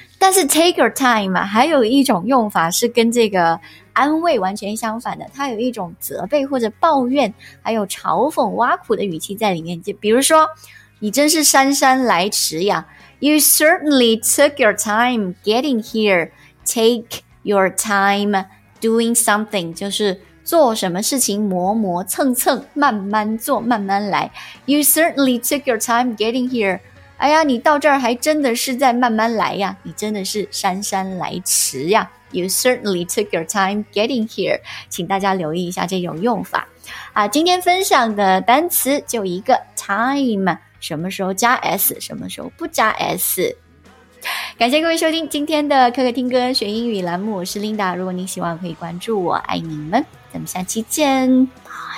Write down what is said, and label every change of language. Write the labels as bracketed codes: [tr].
[zh] 但是 [en] take your time, [zh] 还有一种用法是跟这个安慰完全相反的，它有一种责备或者抱怨还有嘲讽挖苦的语气在里面。就比如说你真是姗姗来迟呀。 [en] You certainly took your time getting here. Take your time doing something, [zh] 就是做什么事情磨磨蹭蹭慢慢做慢慢来。 [en] You certainly took your time getting here. [zh] 哎呀，你到这儿还真的是在慢慢来呀，你真的是姗姗来迟呀。 [en] You certainly took your time getting here. [zh] 请大家留意一下这种用法。啊，今天分享的单词就一个 time, 什么时候加 s, 什么时候不加 s。感谢各位收听今天的可可听歌学英语栏目，我是 Linda, 如果您喜欢可以关注我，爱你们，咱们下期见，拜拜。